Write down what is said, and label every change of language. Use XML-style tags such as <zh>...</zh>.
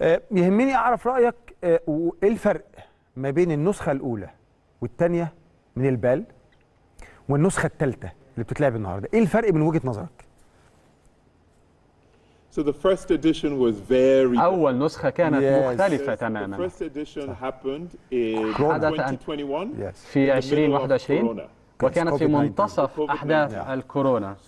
<ar>يهمني أعرف رأيك وإيه الفرق ما بين النسخة الأولى والتانية من البال والنسخة الثالثة اللي بتتلعب النهاردة؟ إيه الفرق من وجهة نظرك؟</ar> <en>So the first edition was very</en> <ar>أول نسخة كانت مختلفة تماما.</ar> <en>The first edition happened in 2021</en> <ar>في 2021 وكانت في منتصف أحداث الكورونا.</ar>